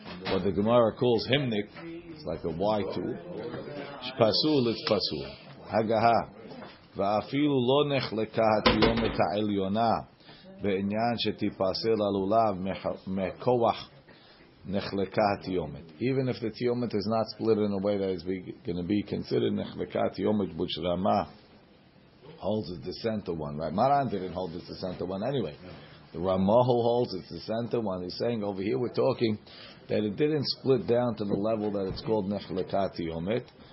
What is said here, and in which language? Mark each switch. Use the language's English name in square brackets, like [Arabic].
[English] What the Gemara calls himnik, it's like a Y two. Shpasul, it's pasul. Hagaha. [Hebrew] ואפילו לא נחלקה התיומת העליונה בעניין שתיפסל על עולב מכוח נחלקה התיומת. [English] Even if the tiyomet is not split in a way that is going to be considered נחלקה התיומת, which Rama holds as the center one, right? Maran didn't hold as the center one anyway. The Rama who holds as the center one is saying over here we're talking that it didn't split down to the level that it's called נחלקה התיומת.